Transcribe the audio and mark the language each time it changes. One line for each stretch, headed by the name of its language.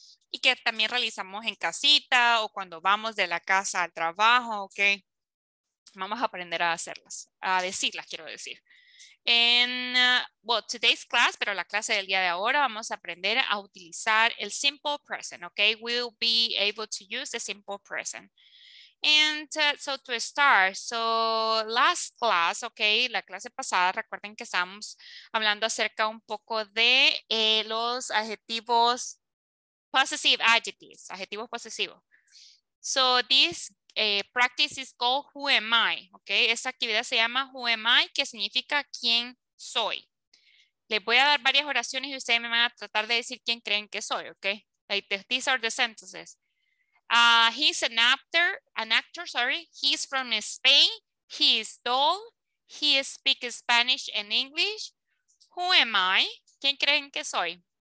Spanish: Y que también realizamos en casita o cuando vamos de la casa al trabajo, ¿ok? Vamos a aprender a hacerlas, a decirlas, quiero decir. En,
English: well, today's class,
Spanish: pero la clase del día de ahora, vamos a aprender a utilizar el simple present, ¿ok?
English: We'll be able to use the simple present. And so to start, so last class, okay,
Spanish: la clase pasada, recuerden que estábamos hablando acerca un poco de los adjetivos
English: possessive adjectives,
Spanish: adjetivos posesivos.
English: So this practice is called Who am I, okay?
Spanish: Esta actividad se llama
English: Who am I,
Spanish: que significa quién soy. Les voy a dar varias oraciones y ustedes me van a tratar de decir quién creen que soy, okay?
English: Like these are the sentences. He's an actor, he's from Spain, he's tall, he speaks Spanish and English. Who am I?
Spanish: ¿Quién creen que soy?